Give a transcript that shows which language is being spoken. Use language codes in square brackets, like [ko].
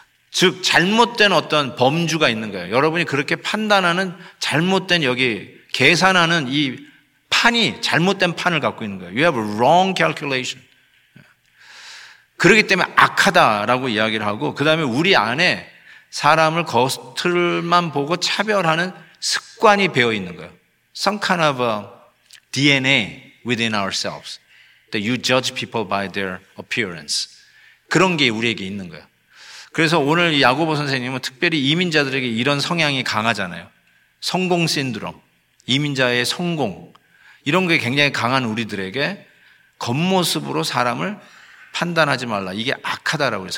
[ko] 즉 잘못된 어떤 범주가 있는 거예요. 여러분이 그렇게 판단하는 잘못된, 여기 계산하는 이 판이 잘못된 판을 갖고 있는 거예요. [en] You have a wrong calculation. [ko] 그렇기 때문에 악하다라고 이야기를 하고, 그 다음에 우리 안에 사람을 겉을만 보고 차별하는 습관이 배어 있는 거예요. [en] Some kind of a DNA within ourselves that you judge people by their appearance. [ko] 그런 게 우리에게 있는 거예요. 그래서 오늘 야고보 선생님은 특별히 이민자들에게 이런 성향이 강하잖아요. 성공 신드롬, 이민자의 성공, 이런 게 굉장히 강한 우리들에게 겉모습으로 사람을 판단하지 말라, 이게 악하다라고 했어요.